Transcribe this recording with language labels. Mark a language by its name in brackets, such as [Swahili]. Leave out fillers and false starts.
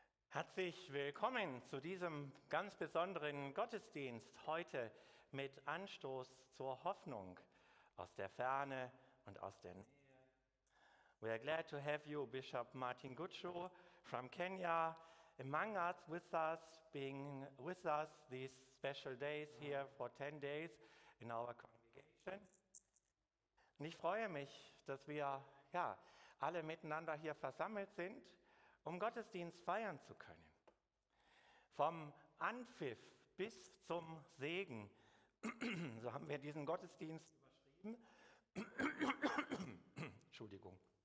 [German] Herzlich willkommen zu diesem ganz besonderen Gottesdienst heute mit Anstoß zur Hoffnung aus der Ferne und aus der Nähe. [English] We are glad to have you, Bishop Martin Gutschow from Kenya, among us, with us, being with us these special days here for 10 days in our congregation. [German] Und ich freue mich, dass wir ja, alle miteinander hier versammelt sind, um Gottesdienst feiern zu können. Vom Anpfiff bis zum Segen, so haben wir diesen Gottesdienst überschrieben. Entschuldigung.